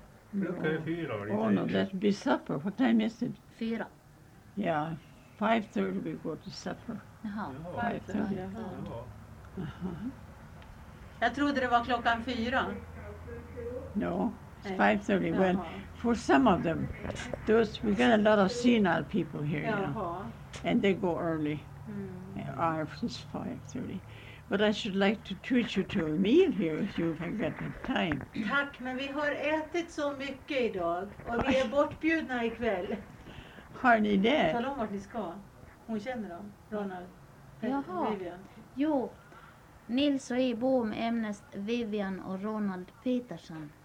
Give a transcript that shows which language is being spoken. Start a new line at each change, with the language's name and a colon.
Swedish: Klockan är 4.
English: Oh no, that'd be supper. What time is it? 4. Ja, 5:30 we go to supper.
Swedish: Jaha, 5:30. Jaha. Jag trodde det var klockan 4.
English: No, it's 5:30. Jaha. Well, for some of them, those, we got a lot of senile people here, you know.
Swedish: Jaha.
English: And they go early. Mm. It's 5:30. But I should like to treat you to a meal here if you have got the time.
Swedish: Tack, men vi har ätit så mycket idag och vi är bortbjudna ikväll. Har ni det? Tala om vart ni ska. Hon känner dem, Ronald. Jaha. Vivian. Jo, Nils och Ibo med ämnest Vivian och Ronald Petersen.